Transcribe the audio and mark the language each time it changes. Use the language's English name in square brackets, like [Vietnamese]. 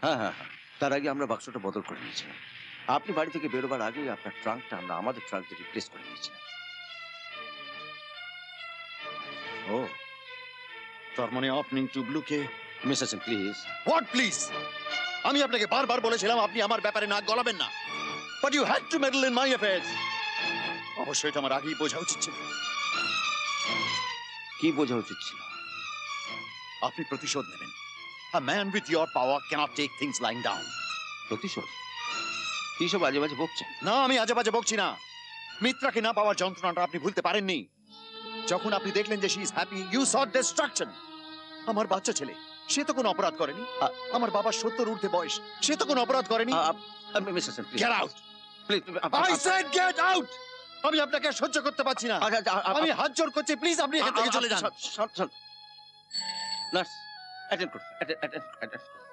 [Bangla] হ্যাঁ হ্যাঁ, তার আগে আমরা বাক্সটা বদল করে নিয়েছি। আপনি বাড়ি থেকে বেরোবার আগে আপনার ট্রাঙ্কটা আমরা আমাদের ট্রাঙ্কে রিপ্লেস করে নিয়েছি। ও, তার মানে আপনি টুবলুকে? Mrs please. [English] What please? [Bangla] আমি আপনাকে বারবার বলেছিলাম আপনি আমার ব্যাপারে নাক গলাবেন না। [English] But you had to meddle in my affairs. [Bangla] অবশ্যই এটা আমার আগেই বোঝা উচিত ছিল। কি বোঝা উচিত ছিল? আপনি প্রতিশোধ নেবেন। [English] A man with your power cannot take things lying down. [Bangla] প্রতিশোধ? কি সব আজে বাজে বকছেন? না, আমি আজে বাজে বকছি না। মিত্রাকে না পাওয়ার যন্ত্রণাটা আপনি ভুলতে পারেননি। যখন আপনি দেখলেন যে [English] she is happy, you saw destruction. [Bangla] আমার বাচ্চা ছেলে, সে তো কোনো অপরাধ করেনি। আমার বাবার 70 ঊর্ধ্বে বয়স, সে তো কোনো অপরাধ করেনি। Mrs please, get out please. [English] I said get out. [Bangla] আমি আপনাকে সহ্য করতে পারছি না, আমি হাত জোড় করছি, প্লিজ আপনি এখান থেকে চলে যান। শট শট, নার্স অ্যাটেন্ড করুন, অ্যাটেন্ড অ্যাটেন্ড।